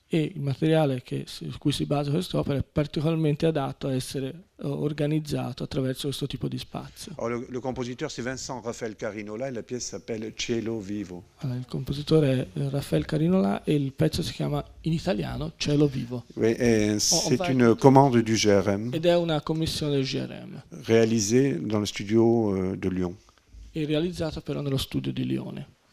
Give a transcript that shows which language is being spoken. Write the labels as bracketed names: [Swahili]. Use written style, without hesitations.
[Italian] E il materiale su cui si basa quest'opera è particolarmente adatto a essere organizzato attraverso questo tipo di spazio. [French] Alors, le compositeur c'est Vincent Raphaël Carinola et la pièce s'appelle Cielo Vivo. [Italian] Allora, il compositore è Raphaël Carinola e il pezzo si chiama in italiano Cielo Vivo. [French] Oui, c'est une commande du GRM [Italian] Ed è una commissione del GRM. [French] réalisée dans le studio de Lyon. [Italian] È realizzata però nello studio di Lione.